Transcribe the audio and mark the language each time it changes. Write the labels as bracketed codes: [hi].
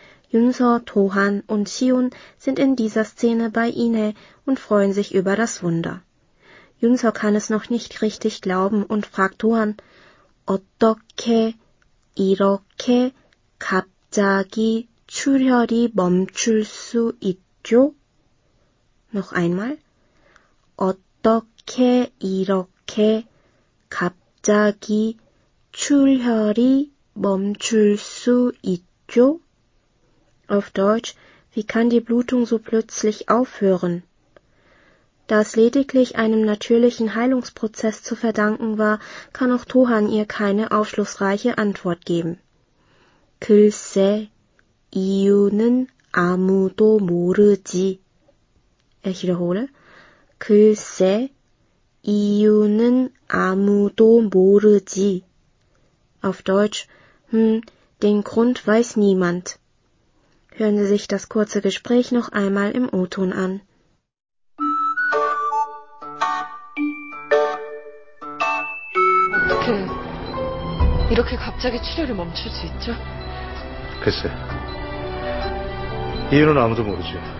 [de] Yunso, Tohan und Hyun sind in dieser Szene bei Inae und freuen sich über das Wunder. Yunso kann es noch nicht richtig glauben und fragt Tohan, [ko] "어떻게 이렇게 갑자기 출혈이 멈출 수 있죠? [de] Noch einmal. [ko] 어떻게 이렇게 갑자기 출혈이 멈출 수 있죠? [de] Auf Deutsch, wie kann die Blutung so plötzlich aufhören? Da es lediglich einem natürlichen Heilungsprozess zu verdanken war, kann auch Tohan ihr keine aufschlussreiche Antwort geben. [ko] 글쎄, 이유는 아무도 모르지. [de] Ich wiederhole. [ko] 글쎄, 이유는 아무도 모르지. [de] Auf Deutsch, den Grund weiß niemand. Hören Sie sich das kurze Gespräch noch einmal im O-Ton an. [ko] 어떻게 이렇게 갑자기 출혈을 멈출 수 있죠? 글쎄, 이유는 아무도 모르지.